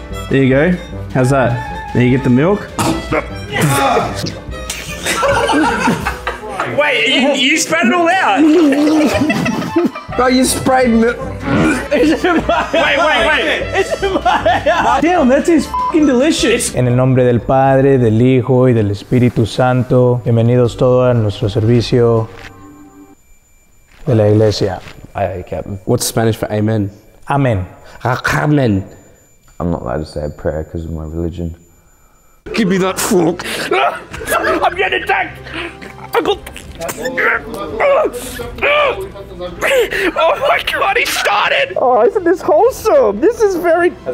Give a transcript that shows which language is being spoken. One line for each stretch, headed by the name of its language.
English: There you go. How's that? Now you get the milk. Wait, you spat it all out. Bro, you sprayed milk. Wait. It's in my eye. Damn, that tastes f***ing delicious.
Spanish: En el nombre del Padre, del Hijo, y del Espíritu Santo, bienvenidos todos a nuestro servicio de la iglesia.
English: Aye, aye, Captain. What's Spanish for amen? Amen. Amen. I'm not allowed to say a prayer because of my religion. Give me that fork. I'm getting attacked. I got... Oh my god, he started! Oh, isn't this wholesome? This is very...